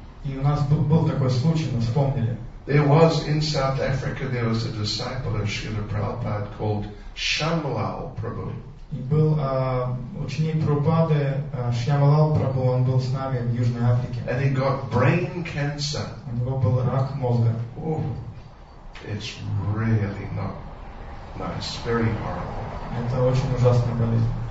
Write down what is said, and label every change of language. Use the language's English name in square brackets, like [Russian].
[Russian] И у нас был такой случай, мы вспомнили. [English] There was in South Africa, there was a disciple of Srila Prabhupada called Shyamalal Prabhu. [Russian] И был ученик Прабхупады, Шьямалал Прабху, он был с нами в Южной Африке. [English] And he got brain cancer. [Russian] У него был рак мозга. [English] Oh, it's really not nice, very horrible. [Russian] Это очень ужасная болезнь.